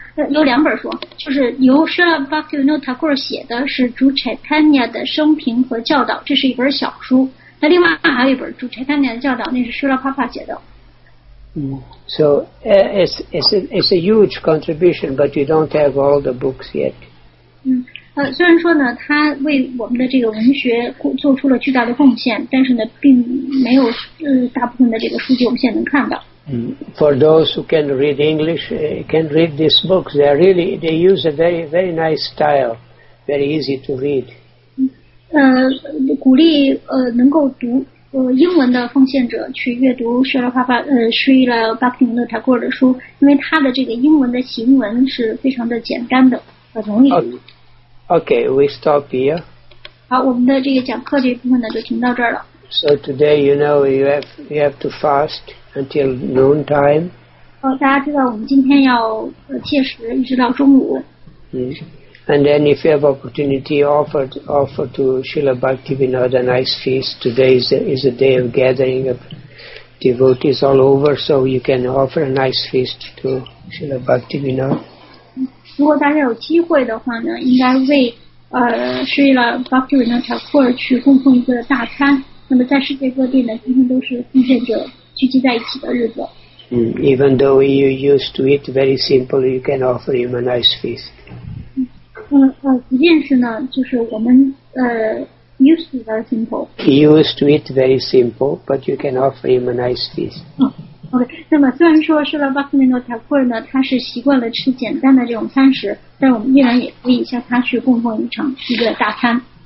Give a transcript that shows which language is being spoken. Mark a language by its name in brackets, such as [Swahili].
[Chinese] 有两本书就是由 Srila Bhaktivinoda Thakur 写的是主 Chaitanya 的生平和教导这是一本小书那另外还有一本主 Chaitanya 的教导那是 Srila Prabhupada 写的、 [English] So it's a huge contribution but you don't have all the books yet [Chinese] 虽然说呢他为我们的这个文学做出了巨大的贡献但是呢并没有大部分的这个书籍我们现在能看到、 [English] For those who can read English can read this book they use a very very nice style very easy to read [Chinese] 鼓励能够读英文的奉献者去阅读 Srila Bhaktivinoda Thakur 的书因为他的这个英文的行文是非常的简单的和容易的、 [English] Okay, we stop here. [Chinese] 好，我们的这个讲课这部分呢，就停到这儿了。 [English] So today, you have to fast until noon time. [Chinese] 大家知道我们今天要戒食，一直到中午。 [English] And then, if you have opportunity, offer to Srila Bhaktivinoda a nice feast. Today is a day of gathering of devotees all over, so you can offer a nice feast to Srila Bhaktivinoda. [Chinese] 如果大家有机会的话呢，应该为Srila Bhaktivinoda Thakur去供奉一个大餐。那么在世界各地呢，今天都是奉献者聚集在一起的日子。 [English] Even though you used to eat very simple, you can offer him a nice feast. [Chinese] 即便是呢，就是我们 [English] used to very simple. He used to eat very simple, but you can offer him a nice feast. [Chinese] Okay, 那么虽然说是了 Bhaktivinoda Thakur 呢他是习惯了吃简单的这种餐食但我们依然也可以向他去供奉一个大餐